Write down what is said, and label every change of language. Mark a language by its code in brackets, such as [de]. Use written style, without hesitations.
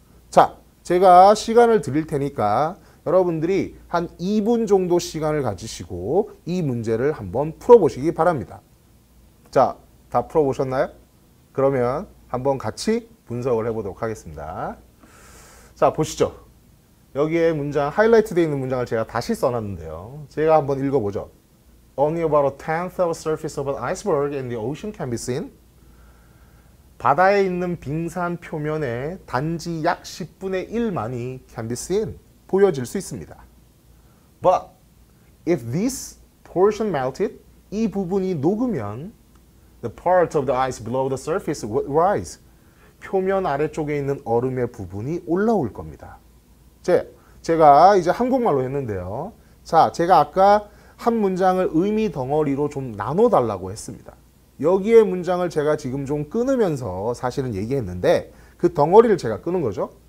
[ko] 자, 제가 시간을 드릴 테니까 여러분들이 한 2분 정도 시간을 가지시고 이 문제를 한번 풀어보시기 바랍니다. 자, 다 풀어보셨나요? 그러면 한번 같이 분석을 해보도록 하겠습니다. 자, 보시죠. 여기에 문장, 하이라이트 되어 있는 문장을 제가 다시 써놨는데요. 제가 한번 읽어보죠. [en] Only about a tenth of the surface of an iceberg in the ocean can be seen. [ko] 바다에 있는 빙산 표면에 단지 약 10분의 1만이 can be seen, 보여질 수 있습니다. [en] But if this portion melted, 이 부분이 녹으면 the part of the ice below the surface would rise. [ko] 표면 아래쪽에 있는 얼음의 부분이 올라올 겁니다. 제가 이제 한국말로 했는데요. 자, 제가 아까 한 문장을 의미 덩어리로 좀 나눠달라고 했습니다. 여기에 문장을 제가 지금 좀 끊으면서 사실은 얘기했는데 그 덩어리를 제가 끊은 거죠.